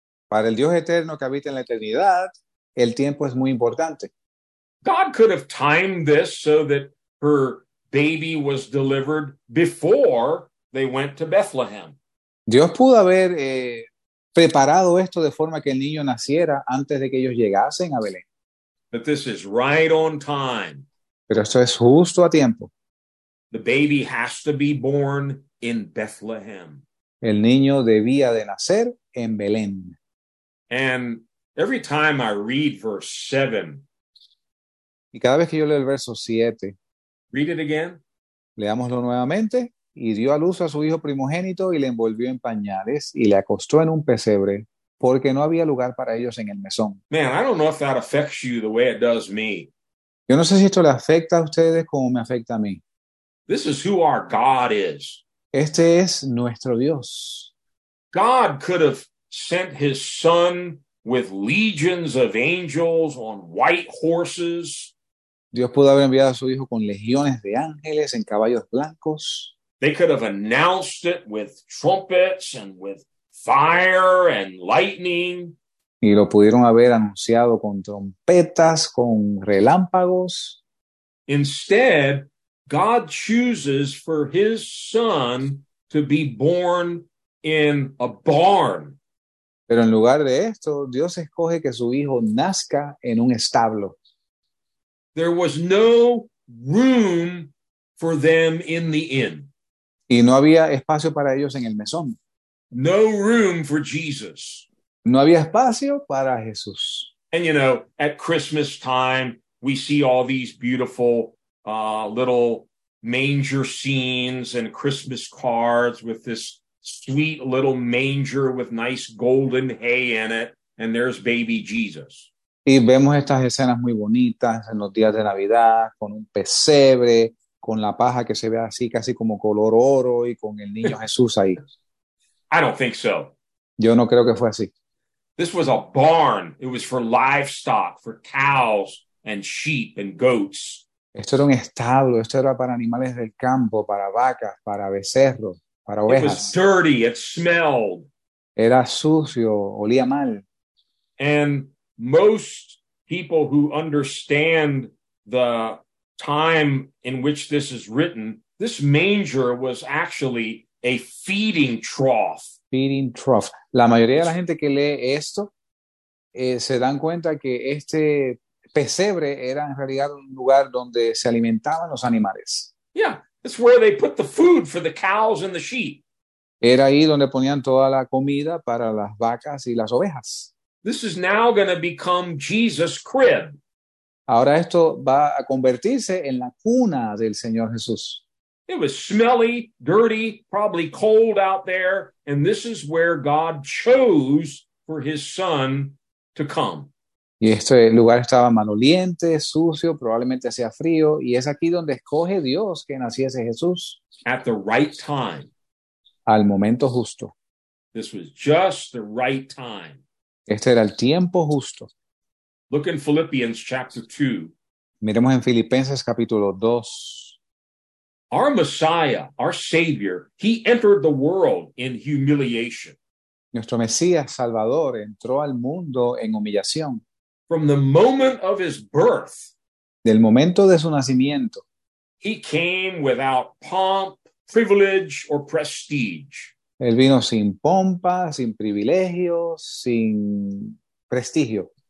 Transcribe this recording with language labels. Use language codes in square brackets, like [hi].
[es] Para el Dios eterno que habita en la eternidad, el tiempo es muy importante. [en] God could have timed this so that her baby was delivered before they went to Bethlehem. [es] Dios pudo haber preparado esto de forma que el niño naciera antes de que ellos llegasen a Belén. [en] But this is right on time. [es] Pero esto es justo a tiempo. [en] The baby has to be born in Bethlehem. [es] El niño debía de nacer en Belén. [en] And every time I read verse 7. [es] Y cada vez que yo leo el verso 7. [en] Read it again. [es] Leámoslo nuevamente. Y dio a luz a su hijo primogénito y le envolvió en pañales y le acostó en un pesebre porque no había lugar para ellos en el mesón. [en] Man, I don't know if that affects you the way it does me. [es] Yo no sé si esto le afecta a ustedes como me afecta a mí. [en] This is who our God is. [es] Este es nuestro Dios. [en] God could have sent his son with legions of angels on white horses. [es] Dios pudo haber enviado a su hijo con legiones de ángeles en caballos blancos. [en] They could have announced it with trumpets and with fire and lightning. [es] Y lo pudieron haber anunciado con trompetas, con relámpagos. [en] Instead, God chooses for his son to be born in a barn. [es] Pero en lugar de esto, Dios escoge que su hijo nazca en un establo. [en] There was no room for them in the inn. [es] Y no había espacio para ellos en el mesón. [en] No room for Jesus. [es] No había espacio para Jesús. [en] And you know, at Christmas time, we see all these beautiful little manger scenes and Christmas cards with this sweet little manger with nice golden hay in it, and there's baby Jesus. [es] Y vemos estas escenas muy bonitas en los días de Navidad con un pesebre, con la paja que se ve así casi como color oro y con el niño Jesús ahí. [en] I don't think so. [es] Yo no creo que fue así. [en] This was a barn. It was for livestock, for cows and sheep and goats. [es] Esto era un establo. Esto era para animales del campo, para vacas, para becerros, para ovejas. [en] It was dirty. It smelled. [es] Era sucio. Olía mal. [en] And most people who understand the time in which this is written, this manger was actually a feeding trough. Feeding trough. [es] La mayoría de la gente que lee esto se dan cuenta que este pesebre era en realidad un lugar donde se alimentaban los animales. [en] Yeah, it's where they put the food for the cows and the sheep. [es] Era ahí donde ponían toda la comida para las vacas y las ovejas. [en] This is now going to become Jesus' crib. [es] Ahora esto va a convertirse en la cuna del Señor Jesús. [en] It was smelly, dirty, probably cold out there, and this is where God chose for his son to come. [es] Y este lugar estaba maloliente, sucio, probablemente hacía frío, y es aquí donde escoge Dios que naciese Jesús. [en] At the right time. [es] Al momento justo. [en] This was just the right time. [es] Este era el tiempo justo. [en] Look in Philippians chapter 2. [es] Miremos en Filipenses capítulo 2. [en] Our Messiah, our Savior, he entered the world in humiliation. [es] Nuestro Mesías Salvador entró al mundo en humillación. [en] From the moment of his birth, [es] del momento de su nacimiento, [en] he came without pomp, privilege, or prestige. [es] Él vino sin pompa, sin privilegios, sin prestigio.